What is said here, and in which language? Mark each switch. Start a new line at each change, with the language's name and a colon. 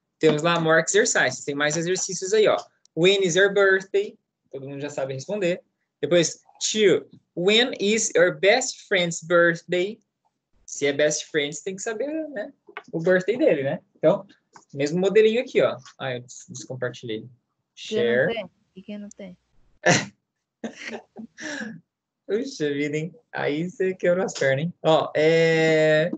Portuguese: Temos lá
English: more exercises,
Portuguese: tem mais exercícios aí, ó.
English: When is your birthday?
Portuguese: Todo mundo já sabe responder. Depois,
English: two, when is your best friend's birthday?
Portuguese: Se é
English: best friend,
Portuguese: tem que saber, né? O birthday dele, né? Então, mesmo modelinho aqui, ó. Ah, eu descompartilhei. Share. E quem não tem? Puxa vida, hein? Aí você quebrou as pernas, hein? Ó, é...